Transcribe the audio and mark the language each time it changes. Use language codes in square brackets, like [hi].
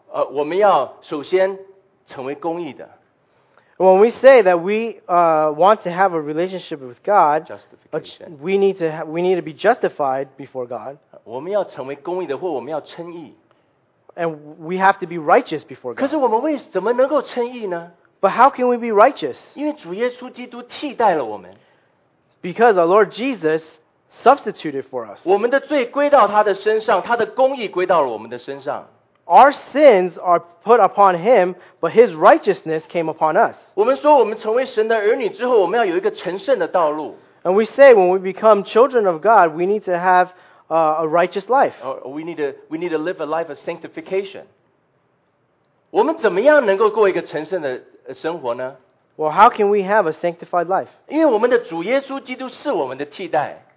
[zh] 我们要首先成为公义的。 [en] When we say that we want to have a relationship with God, we need to be justified before God. [zh] 我们要成为公义的，或我们要称义。 [en] And we have to be righteous before God. [zh] 可是我们为怎么能够称义呢？ [en] But how can we be righteous? [zh] 因为主耶稣基督替代了我们。 [en] Because our Lord Jesus substituted for us. [zh] 我们的罪归到他的身上，他的公义归到了我们的身上。 [en] Our sins are put upon him, but his righteousness came upon us. [zh] 我们说我们成为神的儿女之后，我们要有一个成圣的道路。 [en] And we say when we become children of God, we need to have a righteous life. Or we need to live a life of sanctification. [zh] 我们怎么样能够过一个成圣的生活呢？ [en] Well, how can we have a sanctified life? [zh] 因为我们的主耶稣基督是我们的替代。